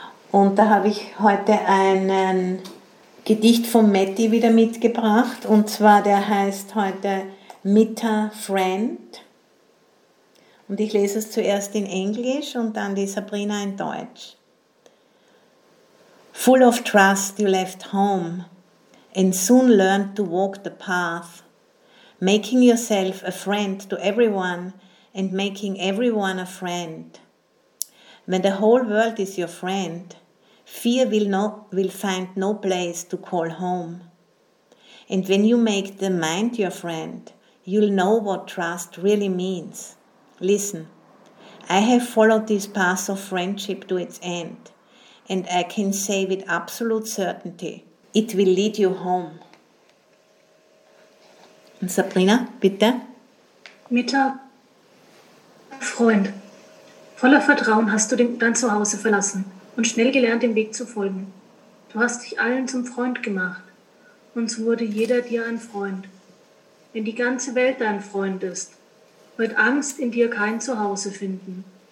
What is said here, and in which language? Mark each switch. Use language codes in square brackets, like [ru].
[de] Und da habe ich heute einen Gedicht von Metti wieder mitgebracht, und zwar der heißt heute Mitta Friend. Und ich lese es zuerst in Englisch und dann die Sabrina in Deutsch. [en] Full of trust you left home and soon learned to walk the path, making yourself a friend to everyone and making everyone a friend. When the whole world is your friend, fear will find no place to call home. And when you make the mind your friend, you'll know what trust really means. Listen, I have followed this path of friendship to its end, and I can say with absolute certainty, it will lead you home. [de] Und Sabrina, bitte. Mitta, Freund, voller Vertrauen hast du dein Zuhause verlassen und schnell gelernt, dem Weg zu folgen. Du hast dich allen zum Freund gemacht, und so wurde jeder dir ein Freund. Wenn die ganze Welt dein Freund ist, wird Angst in dir kein Zuhause finden.